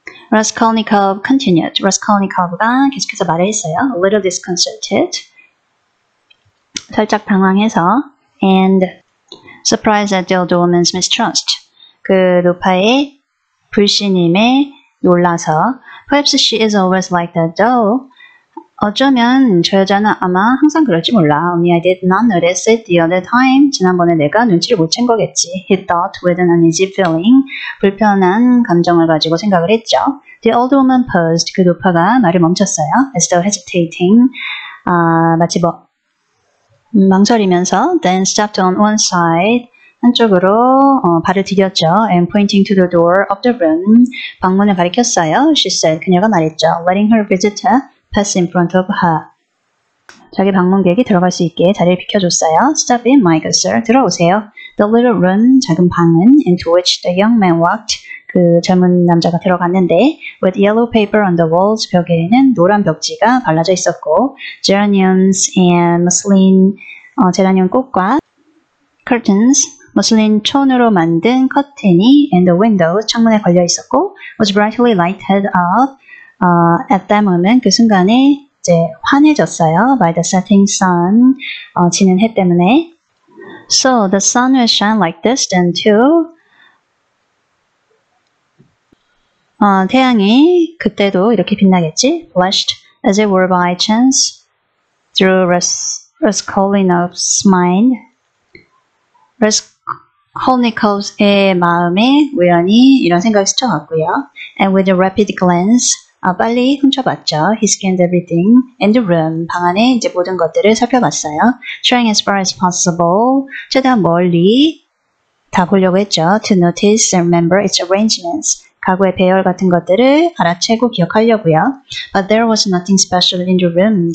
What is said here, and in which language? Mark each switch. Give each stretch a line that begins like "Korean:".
English: Raskolnikov continued.
Korean: Raskolnikov가 계속해서 말을 했어요.
English: A little disconcerted.
Korean: 살짝 당황해서.
English: And surprised at the old woman's mistrust.
Korean: 그 노파의 불신임에 놀라서.
English: Perhaps she is always like that though.
Korean: 어쩌면 저 여자는 아마 항상 그럴지 몰라.
English: Only I did not notice it the other time.
Korean: 지난번에 내가 눈치를 못챈 거겠지.
English: He thought with an uneasy feeling.
Korean: 불편한 감정을 가지고 생각을 했죠.
English: The old woman paused.
Korean: 그 노파가 말을 멈췄어요.
English: As though hesitating.
Korean: 마치 뭐 망설이면서.
English: Then stopped on one side.
Korean: 한쪽으로 발을 디뎠죠.
English: And pointing to the door of the room.
Korean: 방문을 가리켰어요.
English: She said.
Korean: 그녀가 말했죠.
English: Letting her visitor pass in front of her.
Korean: 자기 방문객이 들어갈 수 있게 자리를 비켜줬어요.
English: Step in, my good sir.
Korean: 들어오세요.
English: The little room,
Korean: 작은 방은,
English: into which the young man walked.
Korean: 그 젊은 남자가 들어갔는데,
English: with yellow paper on the walls.
Korean: 벽에는 노란 벽지가 발라져 있었고,
English: geraniums and muslin,
Korean: 제라늄 꽃과
English: curtains,
Korean: 무슬린 촌으로 만든 커튼이
English: and the window,
Korean: 창문에 걸려 있었고,
English: was brightly lighted up. At that moment,
Korean: 그 순간에 이제 환해졌어요.
English: By the setting sun,
Korean: 지는 해 때문에.
English: So the sun will shine like this then too.
Korean: 태양이 그때도 이렇게 빛나겠지?
English: Flashed as it were by chance through Raskolnikov's mind.
Korean: Raskolnikov의 마음에 우연히 이런 생각이 스쳐갔고요.
English: And with a rapid glance.
Korean: 빨리 훔쳐봤죠.
English: He scanned everything in the room.
Korean: 방 안에 이제 모든 것들을 살펴봤어요.
English: Trying as far as possible.
Korean: 최대한 멀리 다 보려고 했죠.
English: To notice and remember its arrangements.
Korean: 가구의 배열 같은 것들을 알아채고 기억하려고요.
English: But there was nothing special in the room.